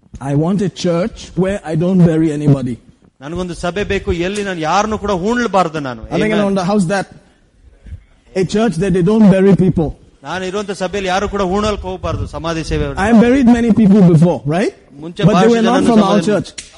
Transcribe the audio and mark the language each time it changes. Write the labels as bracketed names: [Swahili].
[English] I want a church where I don't bury anybody. [Kannada] ನನಗೊಂದು ಸಭೆ ಬೇಕು, ಎಲ್ಲಿ ನಾನು ಯಾರನ್ನು ಕೂಡ ಹೂಣಲ್ಬಾರ್ದು ನಾನು. [English] Amen. How's that? A church that they don't bury people. [Kannada] ನಾನು ಇರುವಂತ ಸಭೆಯಲ್ಲಿ ಯಾರು ಕೂಡ ಹೂಣಲ್ಲಿ ಹೋಗಬಾರ್ದು ಸಮಾಧಿ ಸೇವೆ. [English] I have buried many people before, right? [Kannada] ಮುಂಚೆ [English] but they were not from our church.